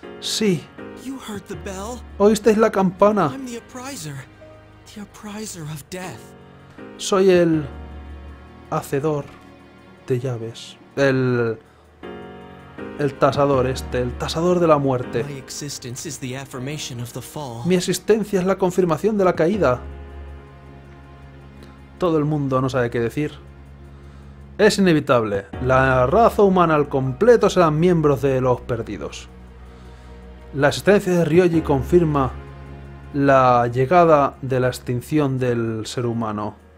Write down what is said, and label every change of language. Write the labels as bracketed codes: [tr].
[es] Sí. [en] You heard the bell. [es] ¿Oísteis la campana? [en] I'm the appraiser of death. [es] Soy el hacedor de llaves. El tasador este, el tasador de la muerte. [en] My existence is the affirmation of the fall. [es] Mi existencia es la confirmación de la caída. Todo el mundo no sabe qué decir. Es inevitable. La raza humana al completo serán miembros de los perdidos. La existencia de Ryoji confirma la llegada de la extinción del ser humano.